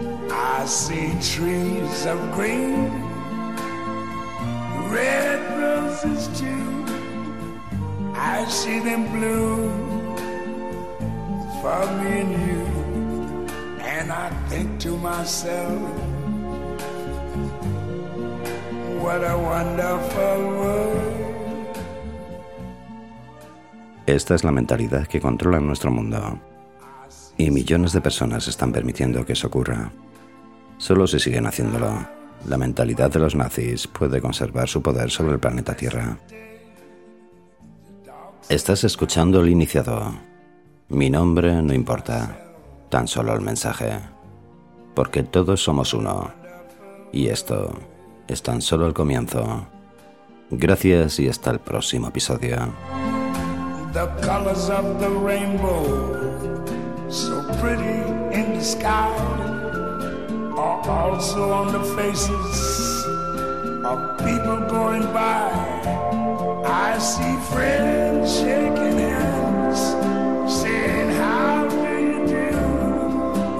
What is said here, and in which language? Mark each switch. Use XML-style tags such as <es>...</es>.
<en>I see trees of green, red roses too. I see them bloom for me and you. And I think to myself, what a wonderful world.</en> <es>Esta es la mentalidad que controla nuestro mundo. y millones de personas están permitiendo que eso ocurra. Solo si siguen haciéndolo, la mentalidad de los nazis puede conservar su poder sobre el planeta Tierra. Estás escuchando El Iniciado. Mi nombre no importa, tan solo el mensaje. Porque todos somos uno. Y esto es tan solo el comienzo. Gracias y hasta el próximo episodio.</es> <en>The colors of the rainbow, so pretty in the sky, are also on the faces of people going by. I see friends shaking hands, saying, how do you do?</en>